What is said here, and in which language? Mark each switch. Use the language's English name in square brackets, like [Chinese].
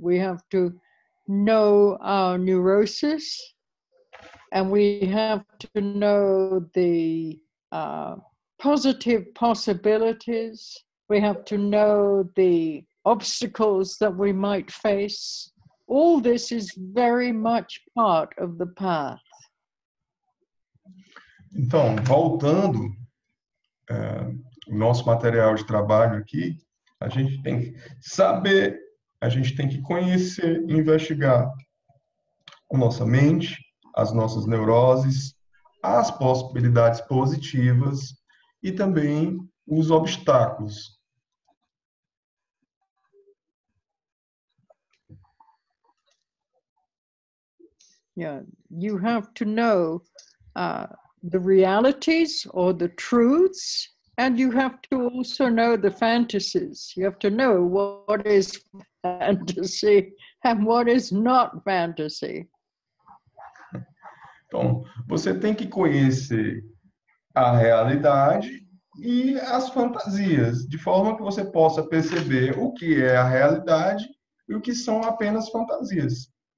[English] We have to know our neurosis, and we have to know the positive possibilities. We have to know the obstacles that we might face. All this is very much part of the path. [Portuguese] Então, voltando o nosso material de trabalho aqui, a gente tem que saber, a gente tem que conhecer, investigar a nossa mente, as nossas neuroses, as possibilidades positivas e também os obstáculos. [English] Yeah, you have to know the realities or the truths, and you have to also know the fantasies. You have to know what is fantasy and what is not fantasy. [Portuguese] Então, você tem que conhecer a realidade e as fantasias, de forma que você possa perceber o que é a realidade e o que são apenas fantasias.